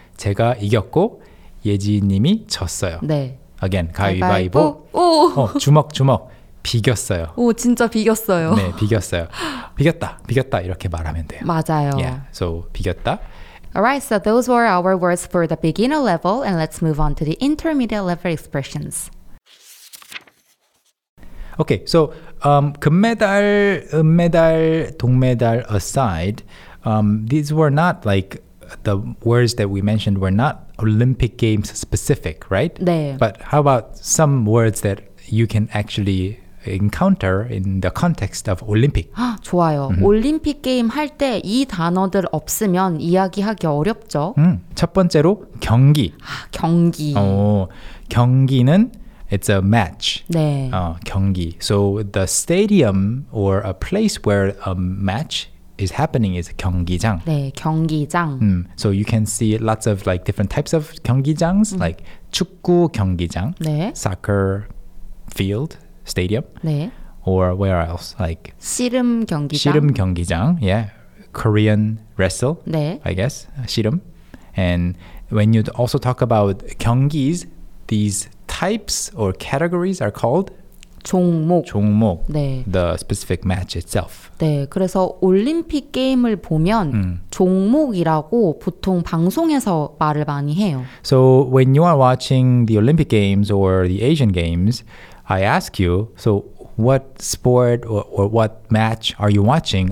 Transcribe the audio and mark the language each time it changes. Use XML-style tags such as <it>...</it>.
<ko>제가 이겼고 예지님이 졌어요. 네.</ko> <en>Again, 가위바위보.</en> <ko>오! 어, 주먹, 주먹. 비겼어요. 오, 진짜 비겼어요. 네, 비겼어요. 비겼다, 비겼다 이렇게 말하면 돼요. 맞아요.</ko> <en>Yeah, so 비겼다. Alright, so those were our words for the beginner level and let's move on to the intermediate level expressions. Okay, so 금메달, 은메달, 동메달 aside, these were not like the words that we mentioned were not Olympic Games specific, right?</en> <ko>네.</ko> <en>But how about some words that you can actually encounter in the context of Olympic?</en> <ko>아, 좋아요. Mm-hmm. 올림픽 게임 할 때 이 단어들 없으면 이야기하기 어렵죠. 첫 번째로 경기. 아, 경기. 어, 경기는</ko> <en>It's a match.</en> <ko>네. 어, 경기.</ko> <en>So the stadium or a place where a match is happening is 경기장.</en> <ko>네, 경기장.</ko> <en>So you can see lots of like different types of 경기장s like 축구 경기장,</en> <ko>네.</ko> <en>soccer field, stadium.</en> <ko>네.</ko> <en>Or where else? Like</en> <ko>씨름 경기장.</ko> <en>씨름 경기장. Yeah. Korean wrestle.</en> <ko>네.</ko> <en>I guess 씨름. And when you also talk about 경기s, these types or categories are called</en> <ko>종목. 종목. 네.</ko> <en>The specific match itself.</en> <ko>네. 그래서 올림픽 게임을 보면 종목이라고 보통 방송에서 말을 많이 해요.</ko> <en>So when you are watching the Olympic Games or the Asian Games, I ask you, so what sport or what match are you watching?</en>